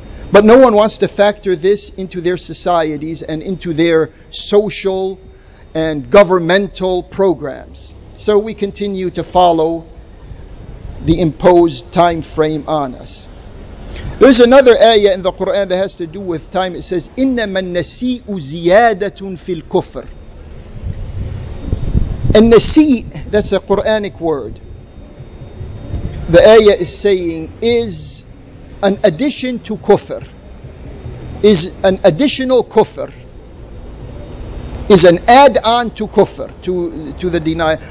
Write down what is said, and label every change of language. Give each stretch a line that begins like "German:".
English: But no one wants to factor this into their societies and into their social and governmental programs. So we continue to follow the imposed time frame on us. There's another ayah in the Quran that has to do with time. It says,
Arabic: إِنَّمَا النَّسِيءُ زِيَادَةٌ فِي الْكُفْرِ.
English: النَّسِيءُ, that's a Quranic word. The ayah is saying, is an addition to kufr, is an additional kufr, is an add-on to kufr, to the denial.